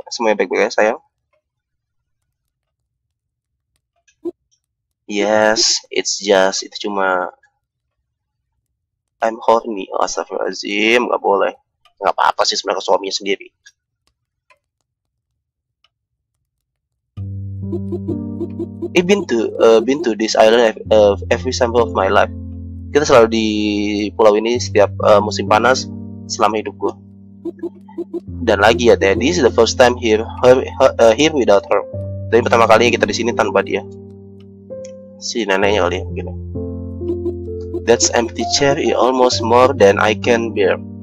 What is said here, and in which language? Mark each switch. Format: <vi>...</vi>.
<id>Semuanya baik-baik ya, sayang.</id> <en>Yes, it's just,</en> <id>itu cuma...</id> <en>I'm horny, astagfirullahaladzim,</en> <id>gak boleh. Gak apa-apa sih sebenarnya suaminya sendiri.</id> <en>I've been to this island every summer of my life.</en> <id>Kita selalu di pulau ini setiap musim panas selama hidup gua. Dan lagi ya,</id> <en>Teddy, this is the first time here without her.</en> <id>Jadi pertama kalinya kita di sini tanpa dia. Si neneknya kali ya, gitu.</id> <en>That's empty chair is almost more than I can bear.</en>